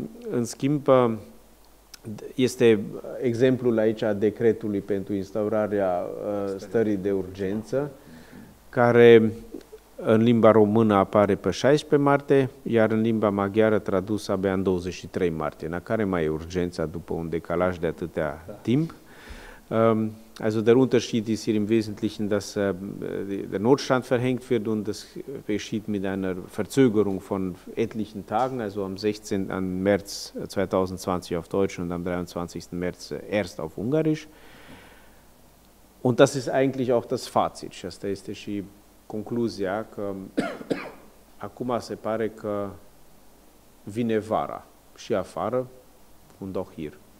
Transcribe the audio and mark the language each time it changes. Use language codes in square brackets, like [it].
[ro] În schimb, este exemplul aici a decretului pentru instaurarea stării de urgență, care în limba română apare pe 16 martie, iar în limba maghiară tradus abia în 23 martie. Na, care mai e urgența după un decalaj de atâtea timp? [de] Also der Unterschied ist hier im Wesentlichen, dass der Notstand verhängt wird und das geschieht mit einer Verzögerung von etlichen Tagen, also am 16. März 2020 auf Deutsch und am 23. März erst auf Ungarisch. Und das ist eigentlich auch das Fazit. [ro] Și asta este și concluzia, că acum se pare că vine vara și afară [de] und auch hier.